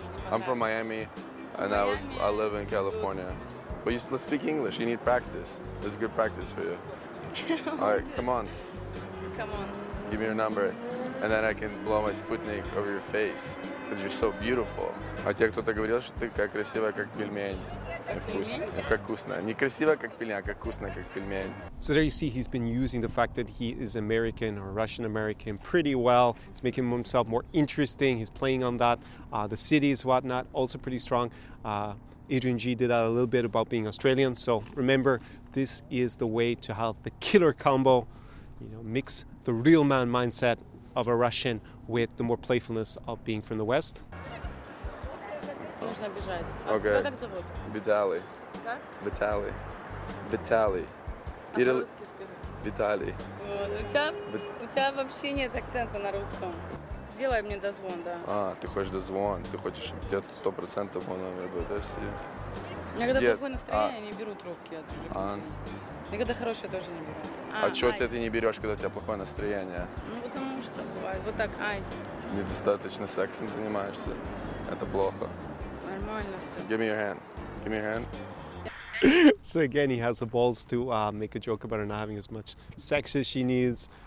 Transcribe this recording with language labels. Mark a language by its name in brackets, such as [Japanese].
[English] I'm from Miami. And I live in California. But you, let's speak English. You need practice. This is good practice for you. All right, come on. Come on. Give me your number, and then I can blow my Sputnik over your face because you're so beautiful. [Russian] А те, кто-то говорил, что ты как красивая, как пельмень. Как вкусно. Не красивая, как пельмень, а как вкусно, как пельмень. [English] So there you see, he's been using the fact that he is American or Russian American pretty well. He's making himself more interesting. He's playing on that. The cities, whatnot, also pretty strong. Adrian G did that a little bit about being Australian. So remember, this is the way to have the killer combo. You know, mix the real man mindset of a Russian with the more playfulness of being from the West. Okay. Vitaly. [Russian] Как? [English] Vitaly. Vitaly. Italy. Vitaly. [Russian] У тебя вообще нет акцента на русском. Сделай мне дозвон, да. А, ты хочешь дозвон? Ты хочешь, чтобы у тебя 100% мой номер был, да? Я когда плохое настроение, не беру трубки. Я когда хорошее тоже не беру. А чего ты не берешь, когда у тебя плохое настроение? Ну, потому что бывает. Вот так, ай. Недостаточно сексом занимаешься. Это плохо. [English] Give me your hand. Give me your hand. So again, he has the balls to make a joke about her not having as much sex as she needs.